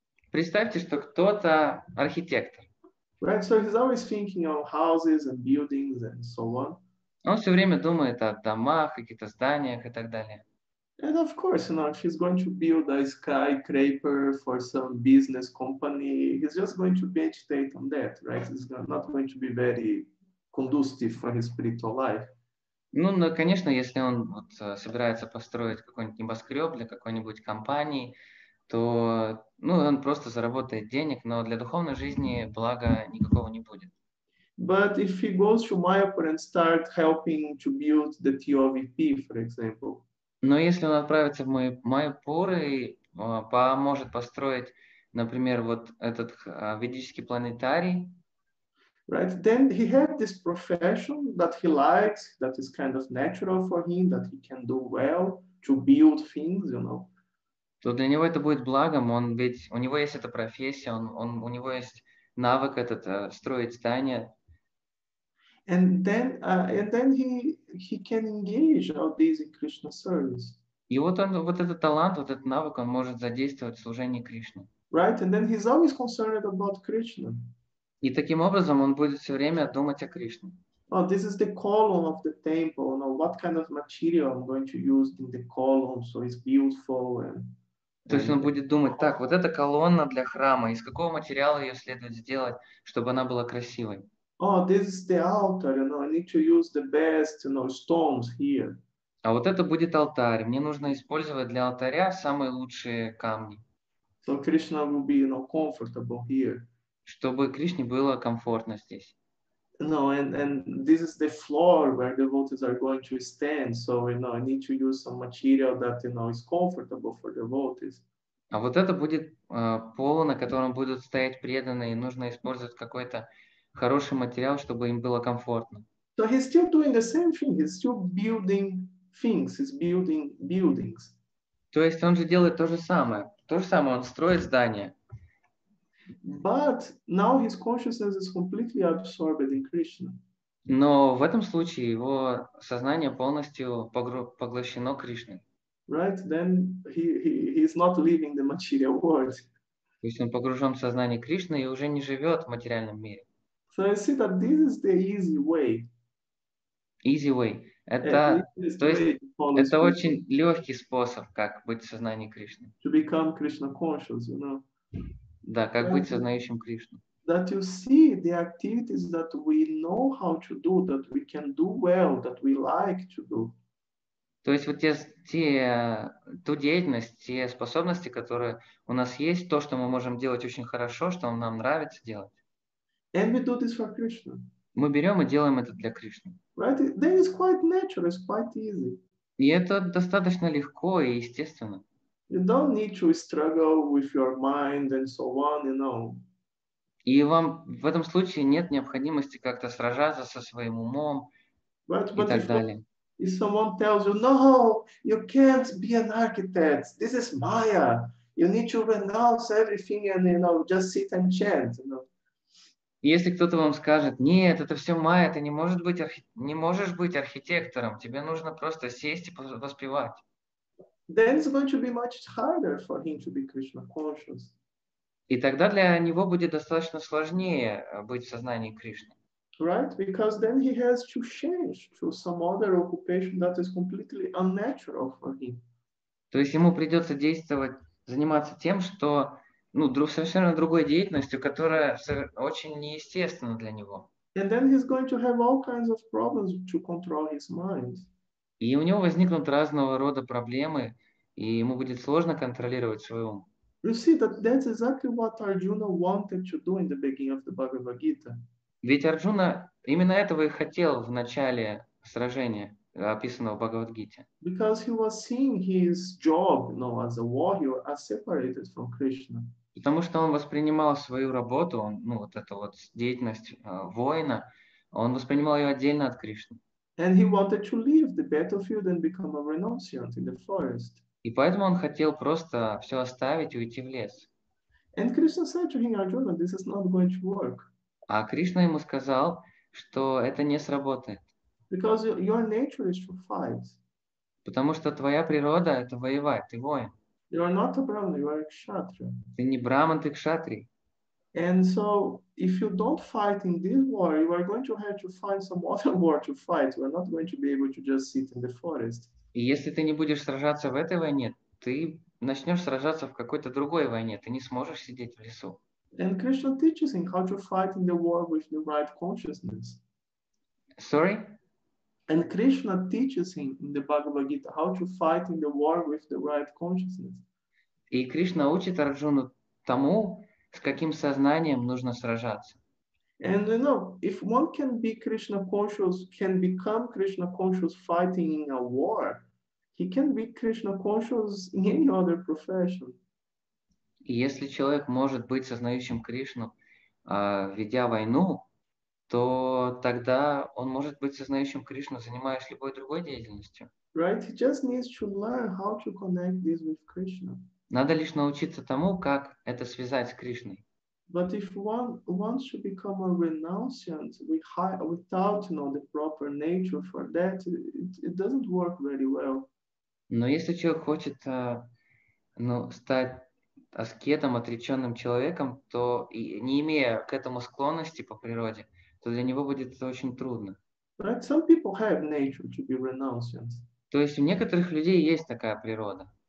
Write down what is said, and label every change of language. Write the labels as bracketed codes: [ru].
[ru] Представьте, что кто-то архитектор. [en] Right, so he's always thinking of houses and buildings and so on. [ru] Он все время думает о домах, каких-то зданиях и так далее. [en] And of course, you know, if he's going to build a skyscraper for some business company, he's just going to meditate on that, right? It's not going to be very conducive for his spiritual life. [ru] Ну, да, конечно, если он вот, собирается построить какой-нибудь небоскреб для какой-нибудь компании, то ну, он просто заработает денег, но для духовной жизни блага никакого не будет. [en] But if he goes to Mayapur and start helping to build the TOVP, for example. [ru] Но если он отправится в Майяпуру и поможет построить, например, вот этот ведический планетарий, [en] Right? Then he had this profession that he likes, that is kind of natural for him, that he can do well to build things, you know. [ru] то для него это будет благом, он ведь у него есть эта профессия, у него есть навык этот строить здания. [en] And then he can engage all these in Krishna service. [ru] И вот он, вот этот талант, вот этот навык, он может задействовать в служении Кришне. [en] Right? And then he's always concerned about Krishna. [ru] И таким образом он будет все время думать о Кришне. [en] Oh, this is the column of the temple. Now, what kind of material I'm going to use in the column so it's beautiful [ru] То есть он [en] and [ru] будет думать, так, вот эта колонна для храма, из какого материала ее следует сделать, чтобы она была красивой? [en] Oh, this is the altar, you know. I need to use the best, you know, stones here. [ru] А вот это будет алтарь. Мне нужно использовать для алтаря самые лучшие камни, [en] So Krishna will be, you know, comfortable here. [ru] чтобы Кришне было комфортно здесь. [en] No, and this is the floor where devotees are going to stand. So, you know, I need to use some material that, you know, is comfortable for devotees. [ru] А вот это будет пол, на котором будут стоять преданные, и нужно использовать какой-то хороший материал, чтобы им было комфортно. [en] So he's still doing the same thing. He's still building things. He's building buildings. [ru] То есть он же делает то же самое. То же самое, он строит здание. [en] But now his consciousness is completely absorbed in Krishna. [ru] Но в этом случае его сознание полностью поглощено Кришной. [en] Right? Then he's not living the material world. [ru] То есть он погружен в сознание Кришны и уже не живет в материальном мире. [en] So I see that this is the easy way. Easy way. The [ru] Это, [en] easiest [ru] то [en] way [ru] есть, [en] to follow [ru] это [en] Krishna. [ru] очень легкий способ, как быть в сознании Кришны. [en] To become Krishna conscious, you [ru] Да, как быть [en] know. [ru] сознающим Кришну. [en] That you see the activities that we know how to do, that we can do well, that we like to do. [ru] То есть вот ту деятельность, те способности, которые у нас есть, то, что мы можем делать очень хорошо, что нам нравится делать, [en] And we do this for Krishna. [ru] мы берем и делаем это для Кришны. [en] Right? Then it's quite natural, it's quite easy. [ru] И это достаточно легко и естественно. [en] You don't need to struggle with your mind and so on, you know. [ru] И вам в этом случае нет необходимости как-то сражаться со своим умом [en] Right? [ru] и [en] But [ru] так далее. [en] if someone tells you, no, you can't be an architect, this is Maya. You need to renounce everything and, you know, just sit and chant, you know. [ru] Если кто-то вам скажет, нет, это все майя, ты не можешь быть архитектором, тебе нужно просто сесть и воспевать. [en] Then it's going to be much harder for him to be Krishna conscious. [ru] И тогда для него будет достаточно сложнее быть в сознании Кришны. [en] Right? Because then he has to change to some other occupation that is completely unnatural for him. [ru] То есть ему придется действовать, заниматься тем, что ну, совершенно другой деятельностью, которая очень неестественна для него. [en] And then he's going to have all kinds of problems to control his mind. [ru] И у него возникнут разного рода проблемы, и ему будет сложно контролировать свой ум. [en] You see that that's exactly what Arjuna wanted to do in the beginning of the Bhagavad Gita. [ru] Ведь Арджуна именно этого и хотел в начале сражения, описанного в Бхагавад-гите. [en] Because he was seeing his job, you know, as a warrior, as separated from Krishna. [ru] Потому что он воспринимал свою работу, ну вот эту вот деятельность воина, он воспринимал ее отдельно от Кришны. [en] And he wanted to leave the battlefield and become a renunciant in the forest. [ru] И поэтому он хотел просто все оставить и уйти в лес. [en] And Krishna said to him, Arjuna, this is not going to work. [ru] А Кришна ему сказал, что это не сработает. [en] Because your nature is to fight. [ru] Потому что твоя природа – это воевать, ты воин. [en] You are not a Brahmin, you are a Kshatriya. [ru] Ты не Брахман, ты Кшатрий. [en] And so, if you don't fight in this war, you are going to have to find some other war to fight. You are not going to be able to just sit in the forest. [ru] И если ты не будешь сражаться в этой войне, ты начнешь сражаться в какой-то другой войне, ты не сможешь сидеть в лесу. [en] And Krishna teaches him how to fight in the war with the right consciousness. Sorry? And Krishna teaches him in the Bhagavad Gita how to fight in the war with the right consciousness. [ru] И Кришна учит Арджуну тому, с каким сознанием нужно сражаться. [en] And you know, if one can be Krishna conscious, can become Krishna conscious fighting in a war, he can be Krishna conscious in any other profession. [ru] И если человек может быть сознающим Кришну, ведя войну, то тогда он может быть сознающим Кришну, занимаясь любой другой деятельностью. [en] Right? He just needs to learn how to connect this with Krishna. [ru] Надо лишь научиться тому, как это связать с Кришной. [en] But if one wants to become a renunciant without, you know, the proper nature for that, it doesn't work very well. [ru] Но если человек хочет, ну, стать аскетом, отреченным человеком, то не имея к этому склонности по природе, то для него будет это очень трудно. [en] Right? Some people have nature to be renunciant. [ru] То есть у некоторых людей есть такая природа.